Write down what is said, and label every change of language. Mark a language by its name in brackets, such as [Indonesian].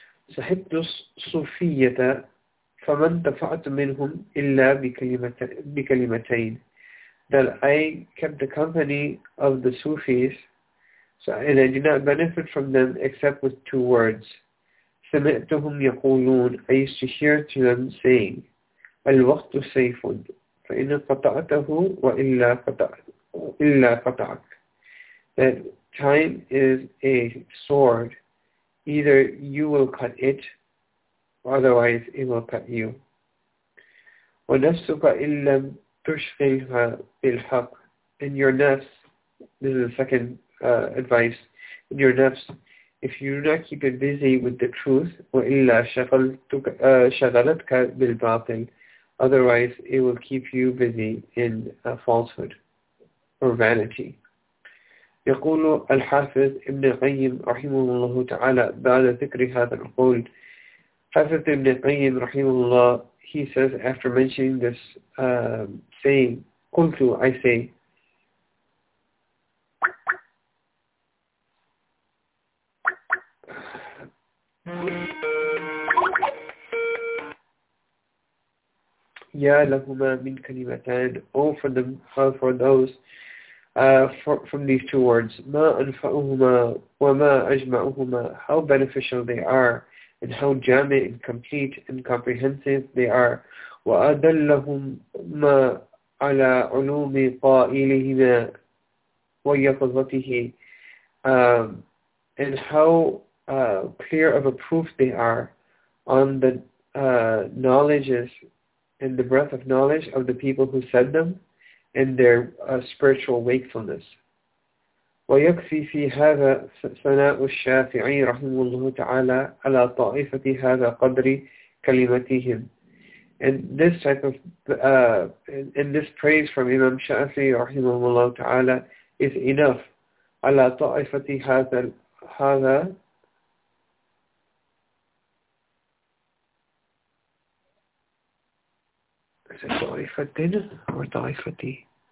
[Arabic] صحبت الصوفية فما انتفعت منهم إلا بكلمتين. [English] That I kept the company of the Sufis, so, and I did not benefit from them except with two words. [Arabic] سمعتهم يقولون, [English] I used to hear to them saying, [Arabic] الوقت سيف, فإن قطعته وإلا قطعت إلا قطعك. [English] That time is a sword. Either you will cut it, otherwise it will cut you. [Arabic] ونفسك إن لم تشغلها بالحق. [English] And your nafs, this is the second advice. And your nafs, if you do not keep it busy with the truth, [Arabic] وَإِلَّا شَغَلَتْكَ بِالْبَاطِلِ, [English] otherwise it will keep you busy in falsehood or vanity. [Arabic] يقول الحافظ ابن القيم رحمه الله تعالى بعد ذكر هذا القول. [English] حافظ ابن القيم رحمه الله, he says after mentioning this saying, قلت, I say, [Arabic] يا لهما من كلمتان, [English] oh for them, for those, from these two words, [Arabic] ما أنفعهما وما أجمعهما, [English] how beneficial they are, and how جامع and complete and comprehensive they are, [Arabic] وأدلهما على علوم قائلهما ويقظته, [English] and how clear of a proof they are on the knowledges and the breadth of knowledge of the people who said them and their spiritual wakefulness. [Arabic] ويكفي في هذا ثناء الشافعي رحمه الله تعالى على طائفة هذا قدر كلمتهم. [English] And this type of and this praise from Imam Shafi'i رحمه الله تعالى is enough [Arabic] على طائفة هذا طائفتين أو طائفتي